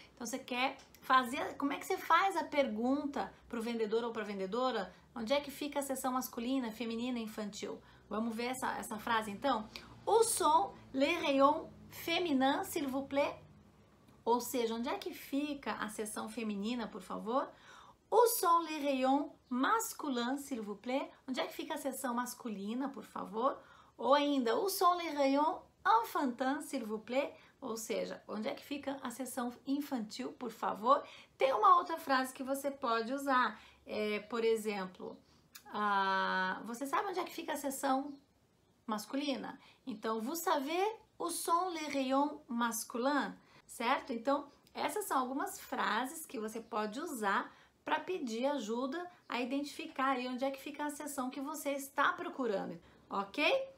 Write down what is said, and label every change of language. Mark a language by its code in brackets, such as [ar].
[pt] Então, você quer fazer. Como é que você faz a pergunta para o vendedor ou para a vendedora? Onde é que fica a seção masculina, feminina, infantil? Vamos ver essa frase então? [fr] Où sont les rayons féminins, s'il vous plaît? [pt] Ou seja, onde é que fica a seção feminina, por favor? [fr] Où sont les rayons masculins, s'il vous plaît? [pt] Onde é que fica a seção masculina, por favor? Ou ainda, [fr] où sont les rayons enfantins, s'il vous plaît? [pt] Ou seja, onde é que fica a seção infantil, por favor? Tem uma outra frase que você pode usar. Por exemplo, você sabe onde é que fica a seção masculina? [fr] Então, vous savez où sont les rayons masculins, certo? [pt] Então, essas são algumas frases que você pode usar para pedir ajuda a identificar aí onde é que fica a seção que você está procurando, ok?